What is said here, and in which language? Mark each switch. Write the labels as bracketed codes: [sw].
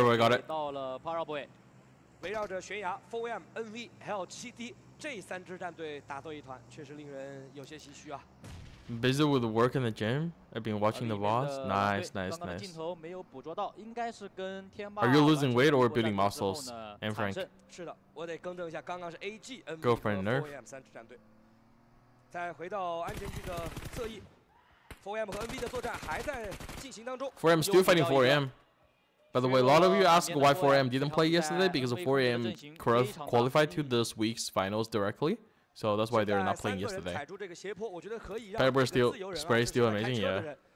[zh] 给到了 Paraboy，围绕着悬崖 4M NV 还有 7D 这三支战队打作一团，确实令人有些唏嘘啊。 [en] Busy with work in the gym. I've been watching the VODs. Nice, nice, nice. [zh] 镜头没有捕捉到，应该是跟天霸。 [en] Are you losing weight or building muscles, and Frank? [zh] 是的，我得更正一下，刚刚是 AG NV 和 4M 三支战队。再回到安全区的侧翼 ，4M 和 NV 的作战还在进行当中。 [en] 4M still fighting 4M. By the way, a lot of you ask why 4M didn't play yesterday because 4M qualified to this week's finals directly, so that's why they're not playing yesterday. Paper still, spray still amazing, yeah.